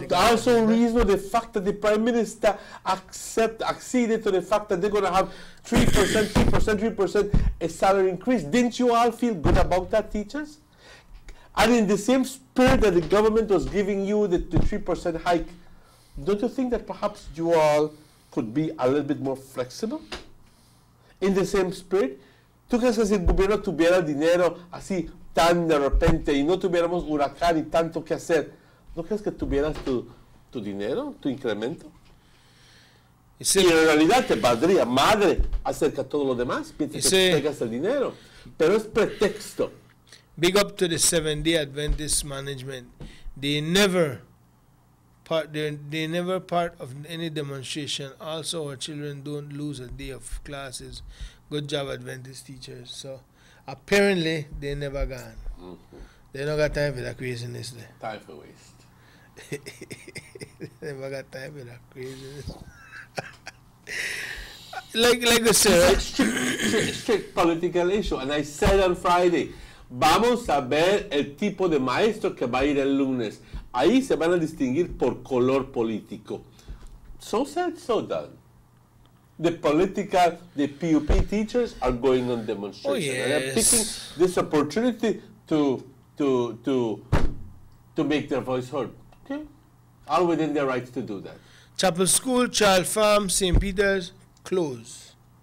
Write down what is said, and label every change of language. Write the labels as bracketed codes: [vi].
[en] But also reason the fact that the Prime Minister acceded to the fact that they're going to have 3% a salary increase. Didn't you all feel good about that, teachers? And in the same spirit that the government was giving you the 3% hike, don't you think that perhaps you all could be a little bit more flexible? in the same spirit. [es] ¿Tú crees que si el gobierno tuviera dinero así tan de repente y no tuviéramos huracán y tanto que hacer, ¿no crees que tuvieras tu dinero, tu incremento? Sí. Y en realidad te valdría madre acerca de todo lo demás, mientras sí. que tengas el dinero. Pero es pretexto. [en] Big up to the Seventh-day Adventist management. They never part of any demonstration. Also, our children don't lose a day of classes. Good job, Adventist teachers. So, apparently, they never gone. Mm-hmm. They don't got time for that craziness. Time for waste. Never got time for that craziness. like I said, it's strict political issue. And I said on Friday, [es] vamos a ver el tipo de maestro que va a ir el lunes. Ahí se van a distinguir por color político. [en] So said, so done. The political, the PUP teachers are going on demonstration. Oh, yes. And they're picking this opportunity to make their voice heard. Okay? All within their rights to do that. Chapel School, Child Farm, St. Peter's, close.